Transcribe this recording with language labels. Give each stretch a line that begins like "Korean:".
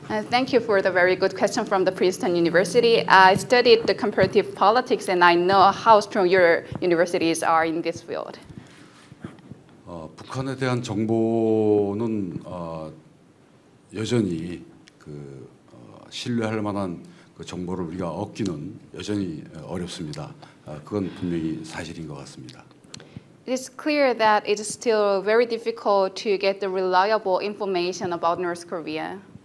English: Thank you for the very good question from the Princeton University. I studied the comparative politics and I know how strong your universities are in this field.
Korean: 북한에 대한 정보는 여전히 그 신뢰할 만한 그 정보를 우리가 얻기는 여전히 어렵습니다. 그건 분명히 사실인 것 같습니다.
English: It is clear that it is still very difficult to get the reliable information about North Korea.